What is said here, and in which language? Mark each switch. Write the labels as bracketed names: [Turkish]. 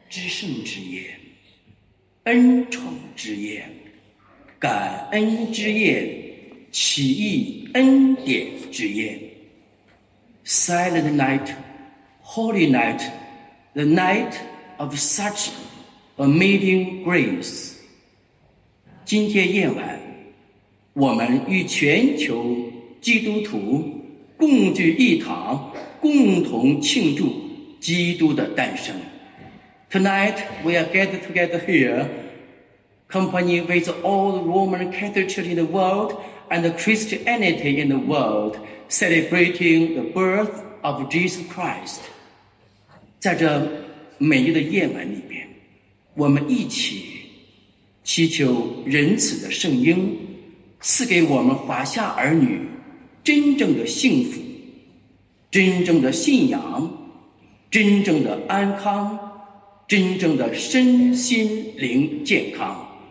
[Chinese] 圣之夜，恩宠之夜，感恩之夜，奇异恩典之夜。 [English] Silent night, holy night, the night of such amazing grace. [Chinese] 今天夜晚，我们与全球基督徒共聚一堂，共同庆祝基督的诞生。 [English] Tonight we are gathered together here, company with all the Roman Catholic Church in the world and the Christianity in the world, celebrating the birth of Jesus Christ. [Chinese] 在这美丽的夜晚里边，我们一起祈求仁慈的圣婴赐给我们华夏儿女真正的幸福，真正的信仰，真正的安康，真正的身心灵健康。